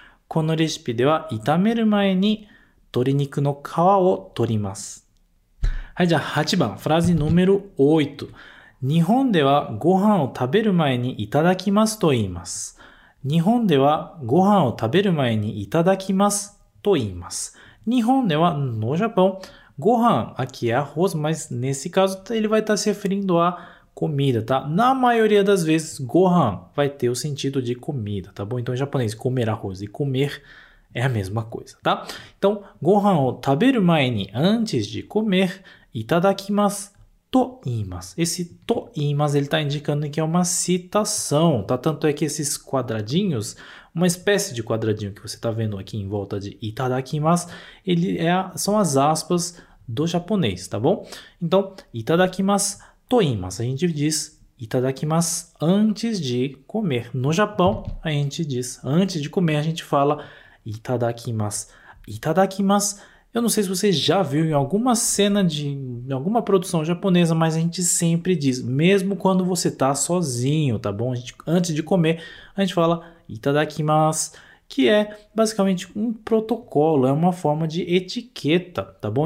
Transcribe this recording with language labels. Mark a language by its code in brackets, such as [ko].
[ja] このレシピでは炒める前に鶏肉の皮を取ります。はい、じゃあ8番、フラーズノメル8。日本ではご飯を食べる前にいただきますと言います。日本ではご飯を食べる前にいただきますと言います。日本では、 [pt] no Japão、Gohan, aqui é arroz, mas nesse caso ele vai estar se referindo à comida, tá? Na maioria das vezes, Gohan vai ter o sentido de comida, tá bom? Então, em japonês, comer arroz e comer é a mesma coisa, tá? Então, Gohan を食べる前に、antes de comer, [ja] いただきますと言います。 [pt] Esse と言います、ele está indicando que é uma citação, tá? Tanto é que esses quadradinhos, uma espécie de quadradinho que você está vendo aqui em volta de いただきます、são as aspas do japonês, tá bom? Então, [ja] いただきますと言います。 [pt] A gente diz いただきます antes de comer. No Japão, a gente diz antes de comer, a gente fala いただきます。 [ja] いただきます。 [pt] Eu não sei se você já viu em alguma cena em alguma produção japonesa, mas a gente sempre diz, mesmo quando você está sozinho, tá bom? Antes de comer, a gente fala いただきます。 Que é basicamente um protocolo, é uma forma de etiqueta, tá bom?